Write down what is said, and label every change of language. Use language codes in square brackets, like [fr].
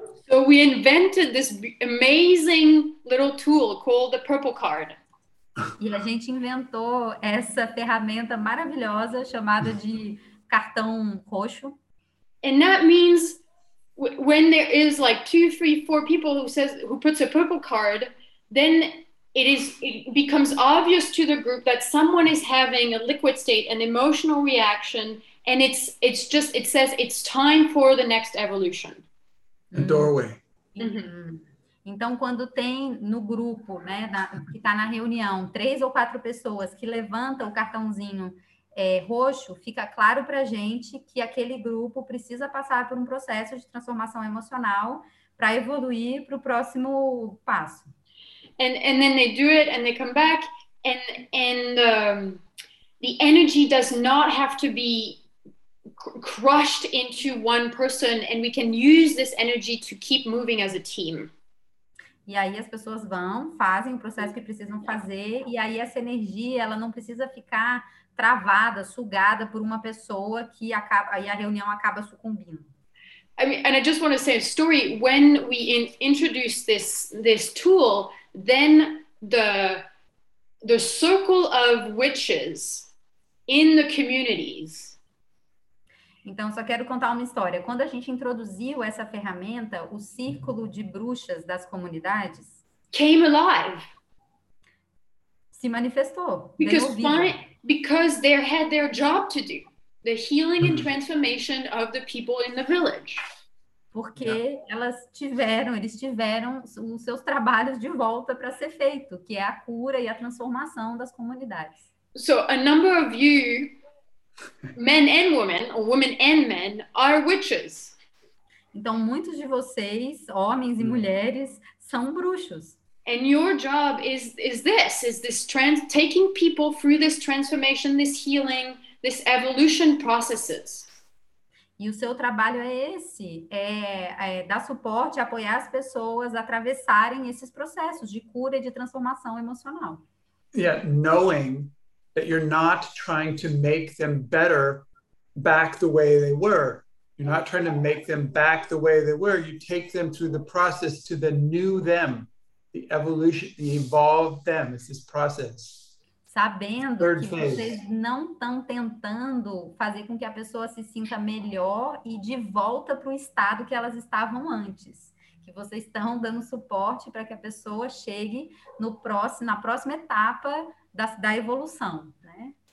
[en] So we invented this amazing little tool called the Purple Card. [pt] E a gente inventou essa ferramenta maravilhosa chamada de cartão roxo. [en] And that means... When there is like 2, 3, 4 people who puts a purple card, then it becomes obvious to the group that someone is having a liquid state, an emotional reaction, and it says it's time for the next evolution. A doorway. Mm-hmm. [pt] Então, quando tem no grupo, né, que está na reunião, 3 ou 4 pessoas que levantam o cartãozinho roxo, fica claro para a gente que aquele grupo precisa passar por um processo de transformação emocional para evoluir para o próximo passo. [en] And then they do it and they come back and the energy does not have to be crushed into one person and we can use this energy to keep moving as a team. [pt] E aí as pessoas vão, fazem o processo que precisam fazer e aí essa energia ela não precisa ficar travada, sugada por uma pessoa que acaba, e a reunião acaba sucumbindo. [en] I mean, and I just want to say a story. When we introduced this tool, then the circle of witches in the communities. [pt] Então, só quero contar uma história. Quando a gente introduziu essa ferramenta, o círculo de bruxas das comunidades [en] came alive. [pt] Se manifestou. [en] Because they had their job to do, the healing and transformation of the people in the village. [pt] Porque eles tiveram os seus trabalhos de volta para ser feito, que é a cura e a transformação das comunidades. [en] So a number of you, men and women, or women and men, are witches. [pt] Então muitos de vocês, homens e mulheres, são bruxos. [en] And your job is this taking people through this transformation, this healing, this evolution processes. [pt] E o seu trabalho é esse, é dar suporte, apoiar as pessoas a atravessarem esses processos de cura e de transformação emocional. [en] Yeah, knowing that you're not trying to make them better back the way they were. You're not trying to make them back the way they were. You take them through the process to the new them. The evolution, the evolve them, is this process. Sabendo Third que phase. [pt] Vocês não estão tentando fazer com que a pessoa se sinta melhor e de volta para o estado que elas estavam antes. Que vocês estão dando suporte para que a pessoa chegue no próximo, na próxima etapa da evolução, né?